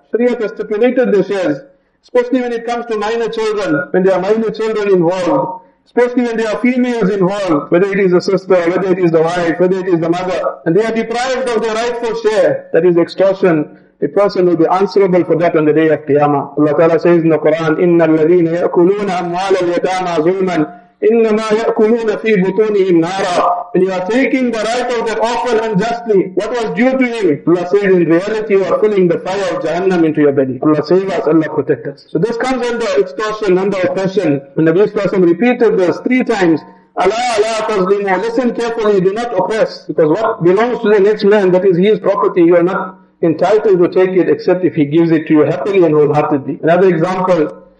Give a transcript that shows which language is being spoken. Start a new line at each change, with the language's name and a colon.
English: Sharia has stipulated the shares, especially when it comes to minor children, when there are minor children involved. Especially when there are females involved, whether it is a sister, whether it is the wife, whether it is the mother, and they are deprived of their rightful share, that is extortion, a person will be answerable for that on the day of Qiyamah.
Arabic: Allah Ta'ala says in the Quran, إِنَّ الَّذِينَ يَأْكُلُونَ أَمْوَالَ الْيَتَامَى ظُلْمًا إِنَّمَا يَأْكُلُونَ فِي بُطُونِهِمْ نَارًا.
English: When you are taking the right of that orphan unjustly, what was due to him? Allah says, in reality, you are filling the fire of Jahannam into your belly. Allah save us, Allah protect us. So this comes under extortion, under oppression. And Nabi Sallallahu Alaihi Wasallam repeated this 3 times. Allah, Allah, tazlimu. Listen carefully, do not oppress. Because what belongs to the next man, that is his property, you are not entitled to take it except if he gives it to you happily and wholeheartedly. Another example.